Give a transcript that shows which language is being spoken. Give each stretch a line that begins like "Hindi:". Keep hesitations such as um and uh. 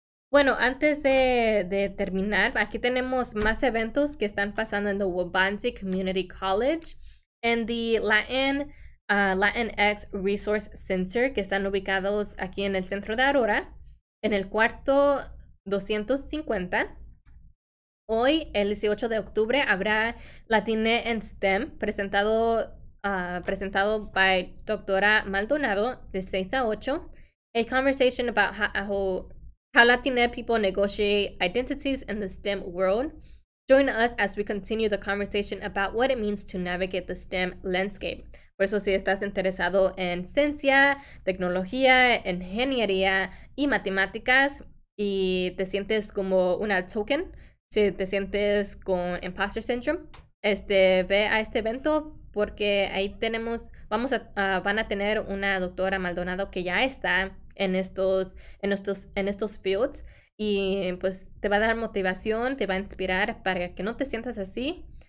Spanish: Bueno, antes de, de terminar, aquí tenemos más eventos que están pasando en The Wabanzi Community College en The Latin, uh, Latinx Resource Center, que están ubicados aquí en el centro de Aurora, en el cuarto 250. Hoy, el 18 de octubre, habrá Latine en STEM presentado, uh, por presentado by doctora Maldonado de 6 a 8.
English: A conversation about how, how, how Latine people negotiate identities in the STEM world. Join us as we continue the conversation about what it means to navigate the STEM landscape.
Spanish: Por eso, si estás interesado en ciencia, tecnología, ingeniería y matemáticas y te sientes como una token, si te sientes con imposter syndrome, este, ve a este evento porque ahí tenemos, vamos a, uh, van a tener una doctora Maldonado que ya está en estos, en estos, en estos fields y pues te va a dar motivación, te va a inspirar para que no te sientas así.